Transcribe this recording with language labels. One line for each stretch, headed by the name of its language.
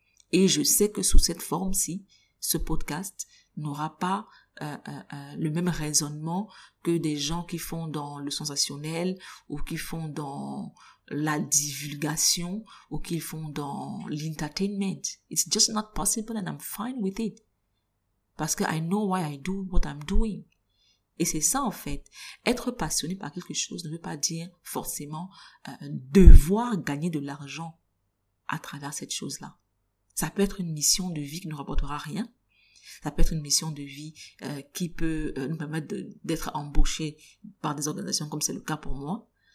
French: Et je sais que sous cette forme-ci, ce podcast n'aura pas le même raisonnement que des gens qui font dans le sensationnel, ou qui font dans la divulgation, ou qui font dans l'entertainment.
English: It's just not possible and I'm fine with it.
French: Parce que
English: I know why I do what I'm doing.
French: Et c'est ça en fait, être passionné par quelque chose ne veut pas dire forcément devoir gagner de l'argent à travers cette chose-là. Ça peut être une mission de vie qui ne nous rapportera rien. Ça peut être une mission de vie qui peut nous permettre d'être embauchés par des organisations comme c'est le cas pour moi.